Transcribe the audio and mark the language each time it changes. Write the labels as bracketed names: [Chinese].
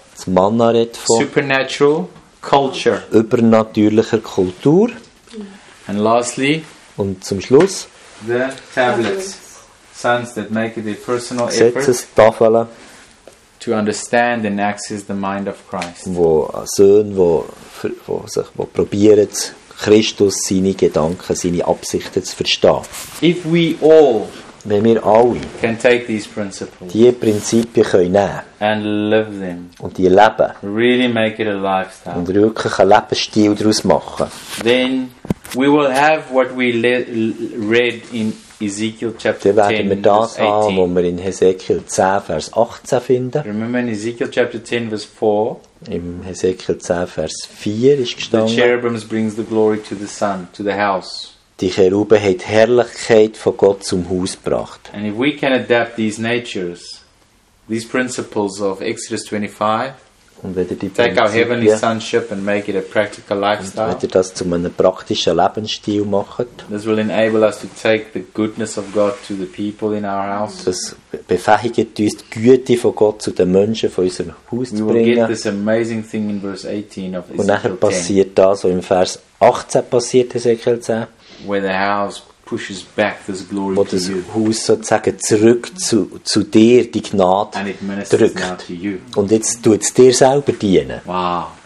[German] das Manna redet von [English] supernatural culture. [German] Übernatürlicher Kultur. [English] And lastly, [German] und zum Schluss [English] the tablets, sons that make it a personal effort to understand and access the mind of Christ. [German] Wo Söhne, wo sich, wo probieren, Christus seine Gedanken, seine Absichten zu verstehen. [English] If we all, [German] wenn wir alle, [English] can take these principles, [German] die Prinzipien können nehmen [English] and live them, [German] und die leben, [English] really make it a lifestyle, [German] und wirklich einen Lebensstil daraus machen, [English] then we will have what we read in Ezekiel chapter 10, [German] werden wir das haben, wo wir in Hesekiel 10, Vers 18 finden. [English] Remember in Ezekiel chapter 10, verse 4, [German] im Hesekiel 10, Vers 4 ist gestanden, [English] the cherubims brings the glory to the sun, to the house. [German] Die Cheruben haben die Herrlichkeit von Gott zum Haus gebracht. [English] And if we can adapt these natures, these principles of Exodus 25, take our heavenly sonship and make it a practical lifestyle. [German] Und wenn ihr das zu einem praktischen Lebensstil macht, [English] this will enable us to take the goodness of God to the people in our house. [German] Das befähigt uns, die Güte von Gott zu den Menschen von unserem Haus zu bringen. [English] We will get this amazing thing in verse 18 of Ezekiel 10. [German] Und nachher passiert das, was im Vers 18 passiert, Ezekiel 10. [English] Where the house pushes back this glory to you. [German] Wo das Haus sozusagen zurück zu dir die Gnade drückt. Und jetzt tut es dir selber dienen. Wow.